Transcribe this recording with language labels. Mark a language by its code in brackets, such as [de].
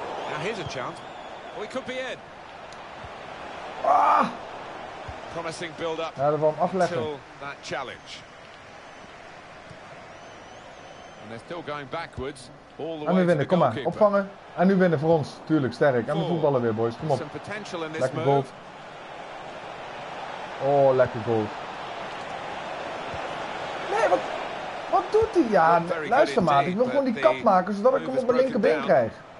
[en] Now here's a chance. We could be in. Ah! Promising build up. [nl] Ja, dat wil hem afleggen. [en] Till that challenge. And they're still going backwards all the way. [nl] En nu winnen, kom maar. Opvangen. En nu winnen voor ons. Tuurlijk, sterk. En we voetballen weer, boys. Kom op. Lekker goal. Oh, lekker goal. Nee, wat... Wat doet hij? Ja, luister maar. Ik wil gewoon die kap maken, zodat ik hem op mijn linkerbeen krijg.